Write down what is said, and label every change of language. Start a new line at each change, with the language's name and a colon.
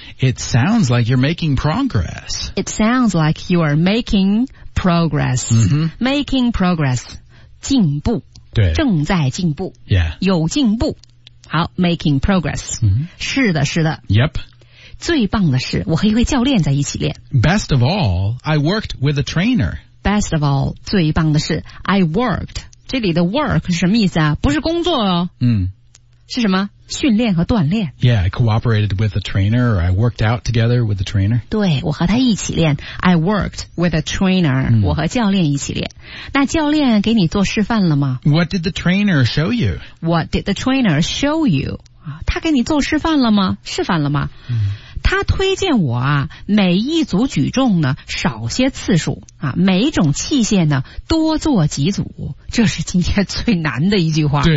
English: It sounds like you're making progress. It sounds like you are making progress.、 Mm-hmm. Making progress.
Chinese: 进步对正在进步、
English: yeah.
Chinese: 有进步好
English: making progress、 mm-hmm.
Chinese: 是的
English: Yep
Chinese: 最棒的是我和一位教练在一起练
English: Best of all I worked with a trainer Best of all
Chinese: 最棒的是
English: I worked
Chinese: 这里的 work 是什么意思啊不是工作哦、
English: mm-hmm.
Chinese: 是什么训练和锻炼
English: Yeah I cooperated with a trainer or I worked out together with a trainer
Chinese: 对我和他一起练
English: I worked with a trainer、 mm.
Chinese: 我和教练一起练那教练给你做示范了吗
English: What did the trainer show you? What did the trainer show you?
Chinese: 他给你做示范了吗示范了吗、
English: mm.
Chinese: 他推荐我啊每一组举重呢少些次数啊每一种器械呢多做几组这是今天最难的一句话